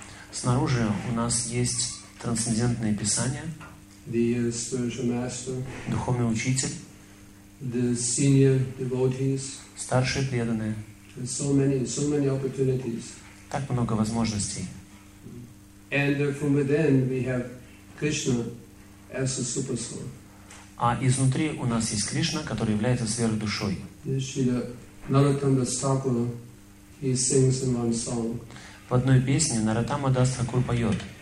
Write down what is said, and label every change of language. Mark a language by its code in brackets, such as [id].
[ru] Снаружи у нас есть трансцендентные писания. [en] The spiritual master. [ru] Духовный учитель. [en] The senior devotees, [ru] старшие преданные, [en] and so many opportunities, [ru] так много возможностей. [en] And from within we have Krishna as the super soul. [ru] А изнутри у нас есть Кришна, который является сверхдушой. В одной песне Наратама Дас Тхакур поет.